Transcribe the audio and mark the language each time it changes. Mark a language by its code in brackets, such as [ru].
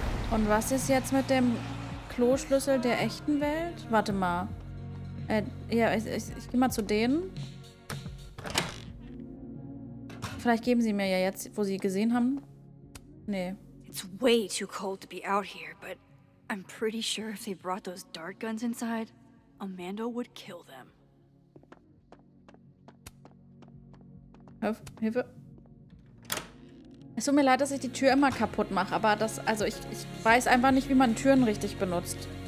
[de] Und was ist jetzt mit dem Kloschlüssel der echten Welt? Warte mal. Ich gehe mal zu denen. Vielleicht geben sie mir ja jetzt, wo sie gesehen haben. Nee. [en] It's way too cold to be out here, but I'm pretty sure if they brought those dart guns inside, Amanda would kill them. [de] Hilfe. Es tut mir leid, dass ich die Tür immer kaputt mache, aber das, also ich weiß einfach nicht, wie man Türen richtig benutzt.